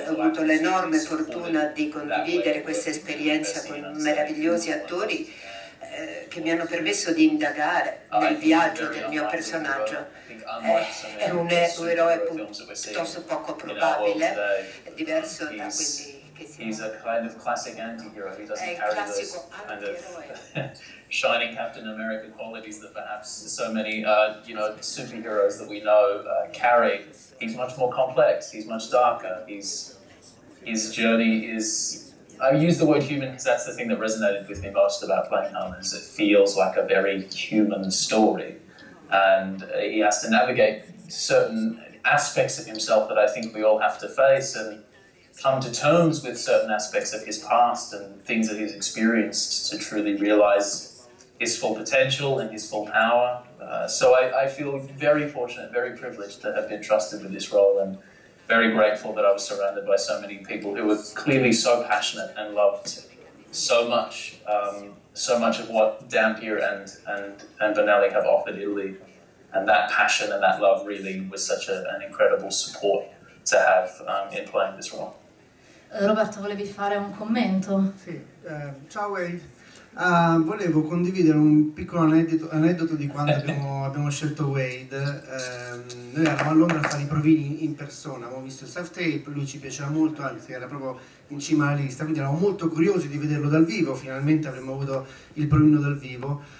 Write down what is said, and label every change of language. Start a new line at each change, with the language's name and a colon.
Italian: Ho avuto l'enorme fortuna di condividere questa esperienza con meravigliosi attori che mi hanno permesso di indagare nel viaggio del mio personaggio. È un eroe piuttosto poco probabile, è diverso da quelli che si è il classico anti-eroe.
English: Shining Captain America qualities that perhaps so many superheroes that we know carry. He's much more complex, he's much darker, his journey is, I use the word human because that's the thing that resonated with me most about playing Harlan, is it feels like a very human story, and he has to navigate certain aspects of himself that I think we all have to face and come to terms with certain aspects of his past and things that he's experienced to truly realize his full potential and his full power. So I feel very fortunate, very privileged to have been trusted with this role, and very grateful that I was surrounded by so many people who were clearly so passionate and loved so much, so much of what Dampier and Bonelli have offered Italy. And that passion and that love really was such an incredible support to have in playing this role.
Italian: Roberto, volevi fare un commento? Sì, ciao Wade. Volevo condividere un piccolo aneddoto di quando abbiamo scelto Wade. Noi eravamo a Londra a fare i provini in persona, abbiamo visto il self tape, lui ci piaceva molto, anzi era proprio in cima alla lista, quindi eravamo molto curiosi di vederlo dal vivo, finalmente avremmo avuto il provino dal vivo.